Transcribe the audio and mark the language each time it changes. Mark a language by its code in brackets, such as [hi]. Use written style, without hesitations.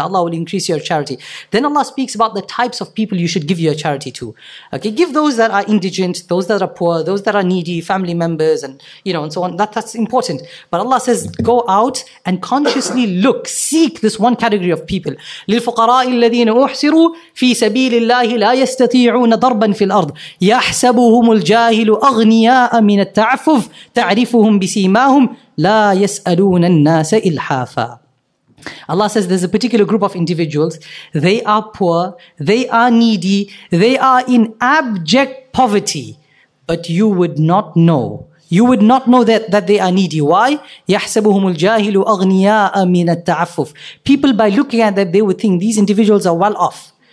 [en] Allah will increase your charity. Then Allah speaks about the types of people you should give your charity to. Okay, give those that are indigent, those that are poor, those that are needy, family members, and so on. That's important. But Allah says, go out and consciously look, seek this one category of people. [ar] الذين أحصروا في سبيل الله لا يستطيعون ضربا في الأرض يحسبهم الجاهل أغنياء من التعفف تعرفهم بسيماهم لا يسألون الناس إلحافا. [en] Allah says, there's a particular group of individuals. They are poor, they are needy, they are in abject poverty, but you would not know. You would not know that they are needy. Why? [ar] يَحْسَبُهُمُ الْجَاهِلُ أَغْنِيَاءَ مِنَ التَّعَفُفِ. [en] People, by looking at that, they would think these individuals are well off.